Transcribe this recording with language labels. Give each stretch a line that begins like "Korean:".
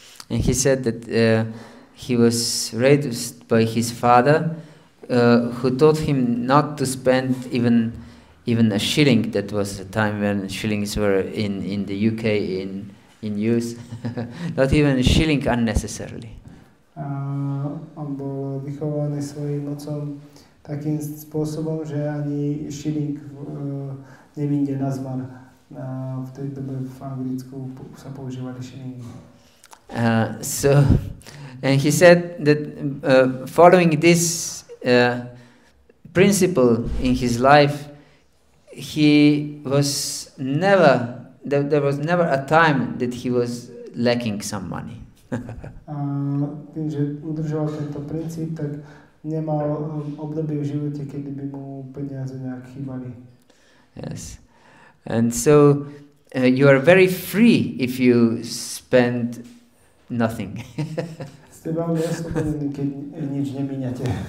English: And he said that he was raised by his father who taught him not to spend even a shilling. That was a time when shillings were in the UK in use, not even a shilling unnecessarily.
Slovak: On bol vychovaný svojím otcom takým spôsobom, že ani shilling nevinde nazvan. V tej dobe v Anglicku sa používali shillingy.
English: So, and he said that following this principle in his life, he was never there was never a time that he was lacking some money.
Slovak: Keďže udržoval tento princíp, tak nemal obdobie v živote, kedy by mu peniaze nejak chýbali.
English: Yes. And so you are very free if you spend nothing.
Slovak: Ste veľmi oslobodení, keď nič nemíňate.